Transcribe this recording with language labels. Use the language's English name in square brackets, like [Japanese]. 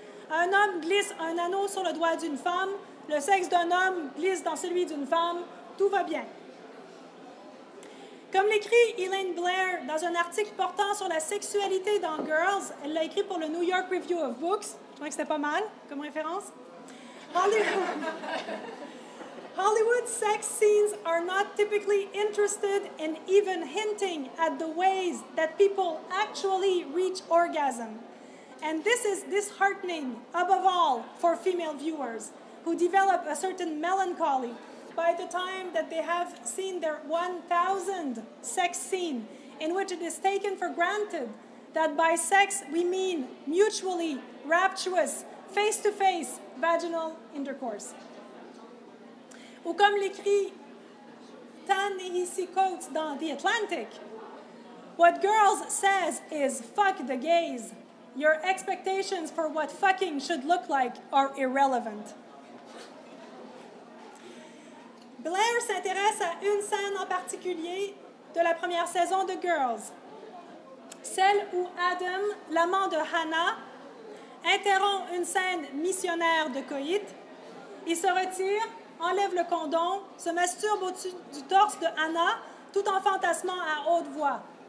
[French] Un homme glisse un anneau sur le doigt d'une femme, le sexe d'un homme glisse dans celui d'une femme, tout va bien. Comme l'écrit Elaine Blair dans un article portant sur la sexualité dans Girls, elle l'a écrit pour le New York Review of Books, je crois que c'était pas mal comme référence. [English] Hollywood. Hollywood sex scenes are not typically interested in even hinting at the ways that people actually reach orgasm. And this is disheartening, above all, for female viewers, who develop a certain melancholy by the time that they have seen their 1,000th sex scene, in which it is taken for granted that by sex we mean mutually rapturous, face-to-face vaginal intercourse. [French] Ou comme l'écrit [English] Ta-Nehisi Coates dans The Atlantic. What girls says is fuck the gays. Your expectations for what fucking should look like are irrelevant. [French] Blair s'intéresse à une scène en particulier de la première saison de Girls. Celle où Adam, l'amant de Hannah, interrompt une scène missionnaire de coït. Il se retire, enlève le condom, se masturbe au-dessus du torse de Hannah, tout en fantasmant à haute voix.